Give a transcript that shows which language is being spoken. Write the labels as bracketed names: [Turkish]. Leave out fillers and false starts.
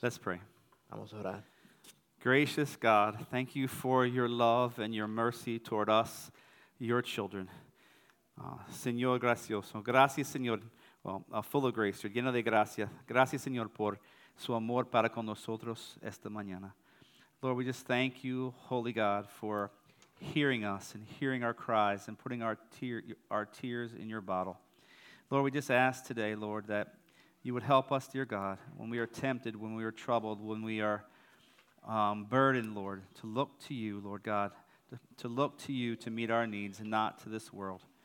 [English] Let's pray. [Spanish] Vamos a orar. [English] Gracious God, thank you for your love and your mercy toward us, your children. [Spanish] Señor gracioso, gracias Señor, [English] full of grace, you're [Spanish] lleno de gracia, gracias Señor por su amor para con nosotros esta mañana. [English] Lord, we just thank you, Holy God, for hearing us and hearing our cries and putting our tears in your bottle. Lord, we just ask today, Lord, that you would help us, dear God, when we are tempted, when we are troubled, when we are burdened, Lord, to look to you, Lord God, to look to you to meet our needs and not to this world.